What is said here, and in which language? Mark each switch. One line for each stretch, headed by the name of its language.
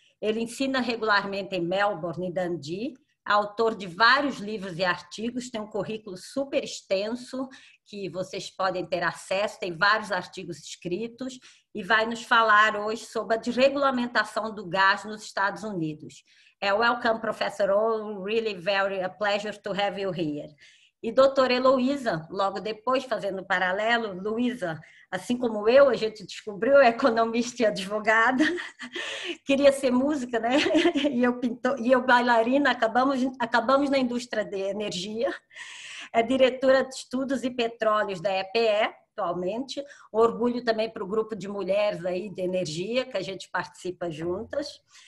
Portuguese: Ele ensina regularmente em Melbourne e Dundee, autor de vários livros e artigos, tem um currículo super extenso que vocês podem ter acesso, tem vários artigos escritos e vai nos falar hoje sobre a desregulamentação do gás nos Estados Unidos.
English: Welcome, Professor Owen, really very a pleasure to have you here.
Portuguese: E doutora Heloísa, logo depois, fazendo um paralelo, Luísa, assim como eu, a gente descobriu, é economista e advogada, queria ser música, né? E eu pintor, e eu bailarina, acabamos na indústria de energia, é diretora de estudos e petróleos da EPE, atualmente, orgulho também para o grupo de mulheres aí de energia, que a gente participa juntas.